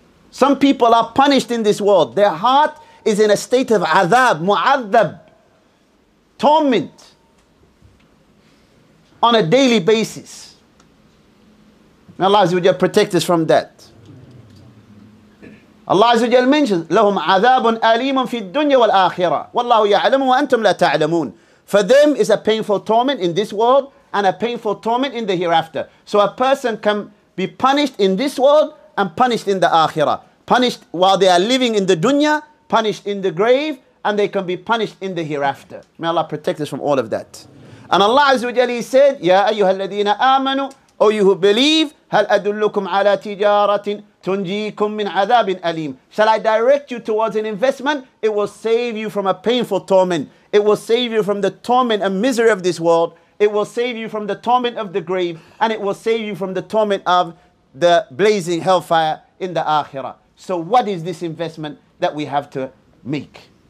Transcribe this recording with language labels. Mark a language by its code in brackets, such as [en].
[en] Some people are punished in this world. Their heart is in a state of azab, mu'adhab, torment on a daily basis. May Allah Azza wa Jalla protect us from that. Allah Azza wa Jalla mentions, [ar] لَهُمْ عَذَابٌ أَلِيمٌ فِي الدُّنْيَا وَالْآخِرَةِ وَاللَّهُ يَعْلَمُ وَأَنْتُمْ لَا تَعْلَمُونَ. [en] For them is a painful torment in this world and a painful torment in the hereafter. So a person can be punished in this world and punished in the akhirah. Punished while they are living in the dunya, punished in the grave, and they can be punished in the hereafter. May Allah protect us from all of that. And Allah Azza wa Jalla said, [ar] يَا أَيُّهَا الَّذِينَ آمَنُوا, [en] O you who believe, [ar] هَلْ أَدُلُّكُمْ عَلَى تِجَارَةٍ تُنْجِيكُمْ مِنْ عَذَابٍ أَلِيمٍ. [en] Shall I direct you towards an investment? It will save you from a painful torment. It will save you from the torment and misery of this world. It will save you from the torment of the grave. And it will save you from the torment of the blazing hellfire in the akhirah. So what is this investment that we have to make?